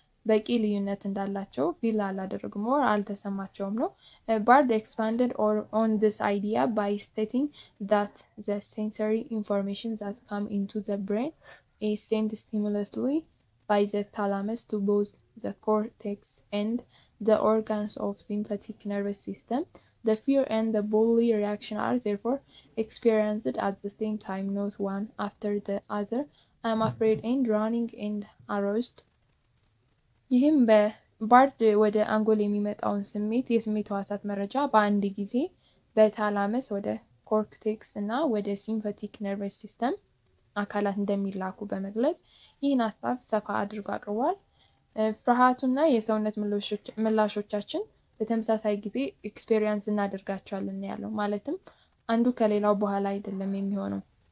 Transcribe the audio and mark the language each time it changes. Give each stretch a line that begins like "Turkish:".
Amharic: በቂ ልዩነት እንዳላቸው ፊል አላደረጉም ኦር አልተሰማቸውም ነው
English: ባርድ ኤክስፓንደድ ኦር ኦን ዲስ አይዲያ ባይ ስቴቲንግ ዳት ዘ ሴንሰሪ ኢንፎርሜሽን ዛት ካም ኢንቱ ዘ ብሬን ኢዝ ሴንድ ስቲሙለስሊ ባይ ዘ ታላመስ ቱ ቦዝ ዘ ኮርቴክስ ኤንድ ዘ ኦርጋንስ ኦፍ ሲምፓቲክ ነርቨስ ሲስተም The fear and the bodily reaction are therefore experienced at the same time, not one after the other. I'm afraid and running and aroused.
Amharic: ይህም በባርድ ወደ አንጎል የሚመጣውን ስሜት የስሜት ህዋሳት መረጃ በአንድ ጊዜ በታላመስ ወደ ኮርቴክስ እና ወደ ሲምፓቲክ ነርቨስ ሲስተም አካላት እንደሚላኩ በመግለጽ ይህን ሀሳብ ሰፋ አድርጎ አቅርቧል። ፍርሃቱና የሰውነት ምላሾቻችን በተመሳሳይ ጊዜ ኤክስፒሪየንስ እናደርጋቸዋለን ያለው ማለትም አንዱ ከሌላው በኋላ አይደለም የሚሆነው